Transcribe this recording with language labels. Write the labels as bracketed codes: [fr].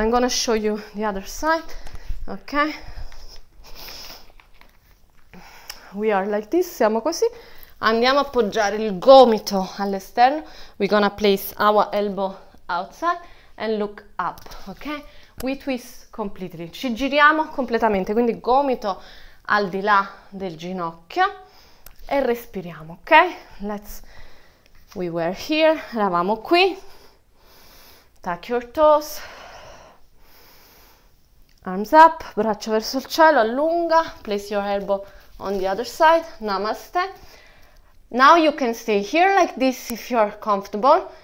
[en] I'm gonna show you the other side, ok? We are like this, [it] siamo così. Andiamo a appoggiare il gomito all'esterno. [en] We're gonna place our elbow outside and look up, ok? We twist completely. [it] Ci giriamo completamente, quindi gomito al di là del ginocchio e respiriamo, ok? [en] We were here, [it] eravamo qui. [en] Tuck your toes. Arms up, [it] braccia verso il cielo, allunga. [en] Place your elbow on the other side. Namaste. Now you can stay here like this if you are comfortable.